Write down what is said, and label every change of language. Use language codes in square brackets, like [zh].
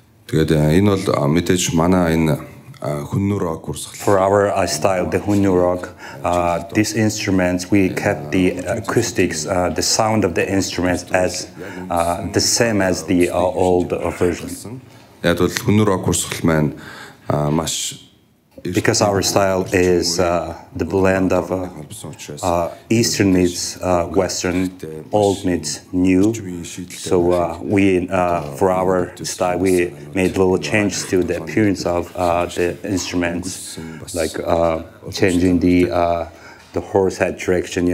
[mn] Тэгээд энэ бол мэдээж манай энэ хүн нүр рок урсгал. [en] For our style, the hun nu rok, these instruments, we kept the acoustics, the sound of the instruments as the same as the old version. [mn] Яг бол хүн нүр рок урсгал маань маш [en] because our style is the blend of Eastern meets Western, old meets new. So for our style, we made little changes to the appearance of the instruments, like changing the horse head direction.